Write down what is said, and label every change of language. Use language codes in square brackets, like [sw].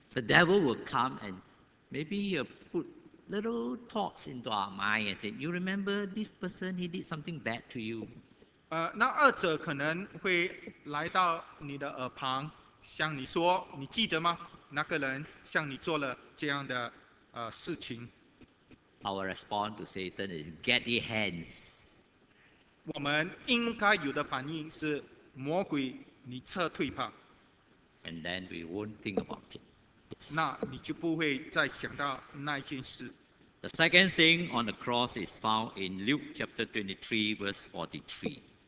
[en] The devil will come and maybe he'll put little thoughts into our mind and say, you remember this person, he did something bad to you. [zh] 那二者可能会来到你的耳旁, 向你说, 你记得吗? 那个人向你做了这样的, 事情。 [en] Our response to Satan is, get thee hence. [zh] 我们应该有的反应是, 魔鬼, 你撤退吧。 [en] And then we won't think about it. [zh] 那你就不会再想到那件事。 [en] The second thing on the cross is found in Luke chapter 23, verse 43.